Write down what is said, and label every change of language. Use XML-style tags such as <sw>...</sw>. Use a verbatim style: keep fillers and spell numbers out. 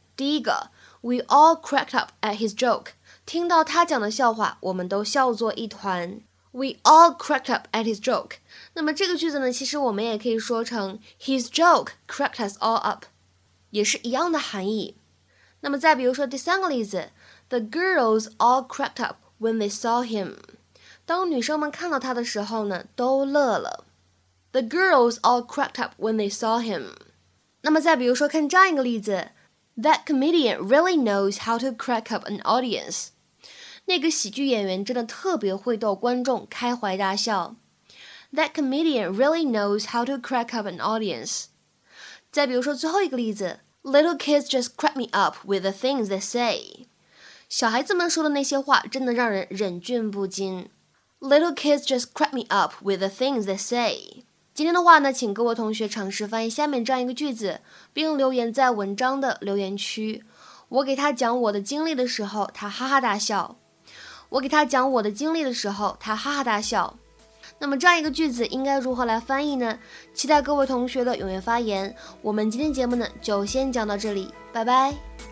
<zh>第一个 ，</zh> <en>We all cracked up at his joke，</en> <zh>听到他讲的笑话，我们都笑作一团。</zh> <en>We all cracked up at his joke。</en> <zh>那么这个句子呢，其实我们也可以说成</zh> <en>His joke cracked us all up，</en> <zh>也是一样的含义。那么再比如说第三个例子。</zh> <en>The girls all cracked up when they saw him.</en> <zh>当女生们看到他的时候呢，都乐了。</zh> <en>The girls all cracked up when they saw him.</en> <zh>那么再比如说看这样一个例子</zh> <en>That comedian really knows how to crack up an audience.</en> <zh>那个喜剧演员真的特别会逗观众开怀大笑。</zh> <en>That comedian really knows how to crack up an audience.</en> <zh>再比如说最后一个例子</zh> <en>Little kids just crack me up with the things they say.</en> <zh>小孩子们说的那些话真的让人忍俊不禁。</zh> <en>Little kids just crack me up with the things they say.</en> <zh>今天的话呢，请各位同学尝试翻译下面这样一个句子，并留言在文章的留言区。我给他讲我的经历的时候，他哈哈大笑。我给他讲我的经历的时候，他哈哈大笑。那么这样一个句子应该如何来翻译呢？期待各位同学的踊跃发言。我们今天节目呢，就先讲到这里，拜拜。</zh>